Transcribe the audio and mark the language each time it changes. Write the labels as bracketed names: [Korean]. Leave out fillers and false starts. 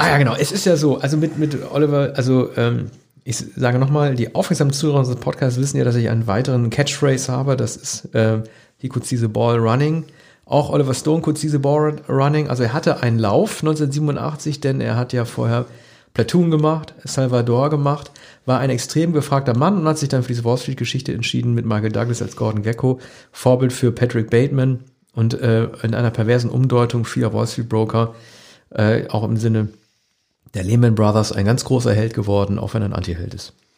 [German] Ah ja, genau. Es ist ja so, also mit Oliver, also ich sage nochmal, die aufmerksamen Zuhörer unseres Podcasts wissen ja, dass ich einen weiteren Catchphrase habe. Das ist [English] He could see the ball running. [German] Auch [English] Oliver Stone could see the ball running. [German] Also er hatte einen Lauf 1987, denn er hat ja vorher Platoon gemacht, Salvador gemacht, war ein extrem gefragter Mann und hat sich dann für diese Wall Street-Geschichte entschieden mit Michael Douglas als Gordon Gekko, Vorbild für Patrick Bateman und in einer perversen Umdeutung vieler Wall Street-Broker, auch im Sinne der Lehman Brothers, ein ganz großer Held geworden, auch wenn er ein Anti-Held ist.